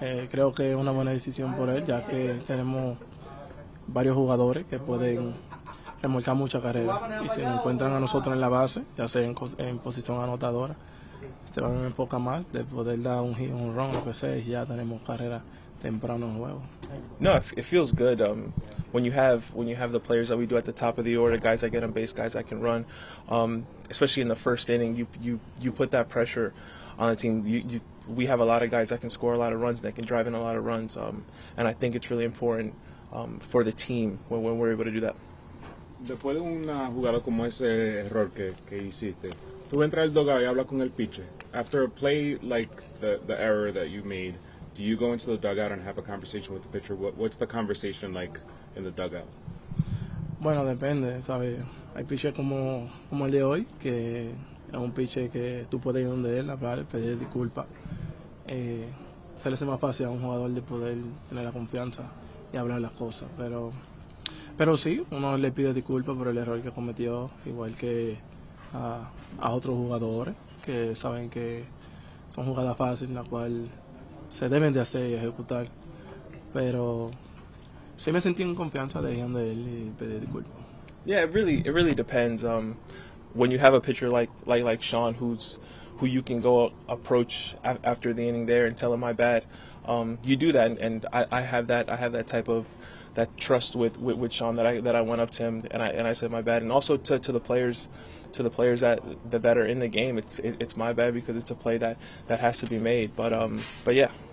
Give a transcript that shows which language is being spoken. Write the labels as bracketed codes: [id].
[es] Creo que es una buena decisión por él, ya que tenemos varios jugadores que pueden remolcar mucha carrera. Y si encuentran a nosotros en la base, ya sea en posición anotadora, se van a enfocar más de poder dar un hit, un run, lo que sea, y ya tenemos carrera temprano en juego. [en] No, it feels good. When you have the players that we do at the top of the order, guys that get on base, guys that can run, especially in the first inning, you put that pressure on the team. We have a lot of guys that can score a lot of runs, that can drive in a lot of runs, and I think it's really important for the team when we're able to do that. [es] Después de una jugada como ese error que hiciste, tú entras al dugout y hablas con el pitcher. [en] After a play like the error that you made, do you go into the dugout and have a conversation with the pitcher? What's the conversation like in the dugout? [es] Bueno, depende, ¿sabes? Hay pitchers como el de hoy, que es un pitcher que tú puedes ir donde él, hablar, pedir disculpas. Se le hace más fácil a un jugador de poder tener la confianza y hablar las cosas, pero Pero sí, uno le pide disculpas por el error que cometió, igual que a otros jugadores que saben que son jugadas fáciles, la cual se deben de hacer y ejecutar. Pero sí me sentí en confianza de ir donde él y pedir disculpas. [en] Yeah, it really depends. When you have a pitcher like Sean, who you can go approach after the inning there and tell him my bad, you do that, and I have that type of that trust with Sean that I went up to him and I said my bad, and also to the players that are in the game, it's my bad because it's a play that has to be made, but yeah.